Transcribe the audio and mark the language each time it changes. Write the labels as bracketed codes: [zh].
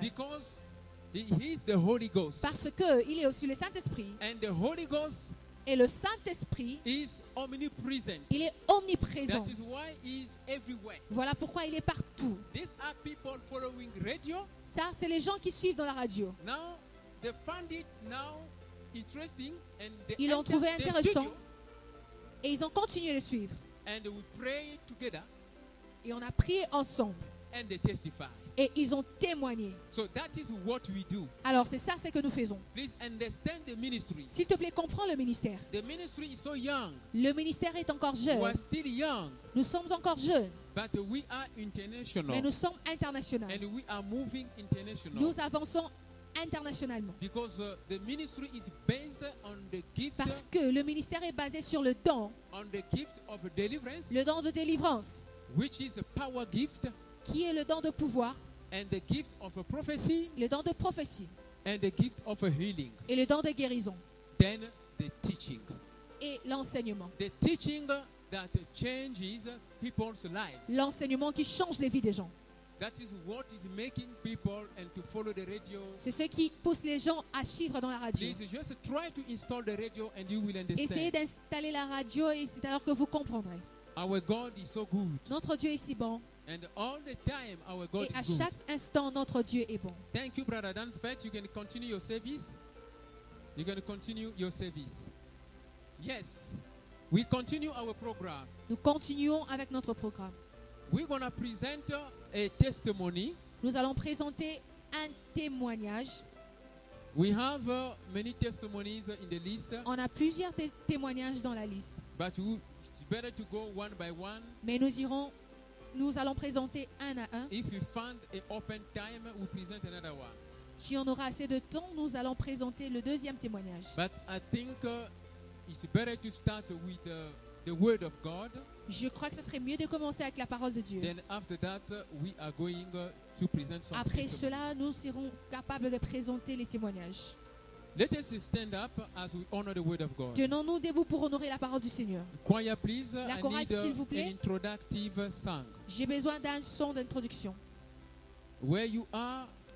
[en] Because He is the Holy Ghost. [fr] Parce que il est aussi le Saint-Esprit. [en] And the Holy Ghost [fr] et le Saint-Esprit [en] is omnipresent. [fr] Il est omniprésent. [en] That is why he is everywhere. [fr] Voilà pourquoi il est partout. [en] These are people following radio. [fr] Ça, c'est les gens qui suivent dans la radio. [en] Now, they found it now interesting and they [fr] ils l'ont trouvé intéressant et ils ont continué de suivre. [en] And we pray together. [fr] Et on a prié ensemble. [en] And they testify. [fr] Et ils ont témoigné. [en] So that is what we do. [fr] Alors c'est ça c'est que nous faisons. [en] Please understand the ministry. [fr] S'il te plaît, comprends le ministère. [en] The ministry is so young. [fr] Le ministère est encore jeune. [en] We are still young. [fr] Nous sommes encore jeunes. [en] But we are international. [fr] Mais nous sommes internationaux. [en] And we are moving international. [fr] Nous avançons internationalement. [en] Because the ministry is based on the gift. [fr] Parce que le ministère est basé sur le don. [en] On the gift of deliverance. [fr] Le don de délivrance. [en] Which is a power gift. [fr] Qui est le don de pouvoir, [en] and the gift of a prophecy, [fr] le don de prophétie, [en] and the gift of a healing, [fr] et le don de guérison, [en] then the teaching, [fr] et l'enseignement, [en] the teaching that changes people's lives, [fr] l'enseignement qui change les vies des gens. [en] That is what is making people and to follow the radio. [fr] C'est ce qui pousse les gens à suivre dans la radio. [en] Please just try to install the radio and you will understand. [fr] Essayez d'installer la radio et c'est alors que vous comprendrez. [en] Our God is so good. [fr] Notre Dieu est si bon. [en] And all the time our God [fr] et à chaque [en] good. [fr] Instant notre Dieu est bon. [en] Thank you, brother Dan. Fait, you can continue your service. You can continue your service. Yes, we continue our program. [fr] Nous continuons avec notre programme. [en] We're gonna present a testimony. [fr] Nous allons présenter un témoignage. [en] We have many testimonies in the list. [fr] On a plusieurs témoignages dans la liste. [en] But it's better to go one by one. [fr] Mais nous irons. Nous allons présenter un à un. [en] If you find an open time, we present another one. [fr] Si on aura assez de temps, nous allons présenter le deuxième témoignage. [en] But I think it's better to start with the word of God. [fr] Je crois que ce serait mieux de commencer avec la parole de Dieu. [en] Then after that, we are going to present some. [fr] Après cela, nous serons capables de présenter les témoignages. [en] Let us stand up as we honor the word of God. [fr] Tenons-nous debout pour honorer la parole du Seigneur. [en] Choir, please. [fr] La chorale, s'il vous plaît. [en] An introductory song. [fr] J'ai besoin d'un son d'introduction. [en] Where you are.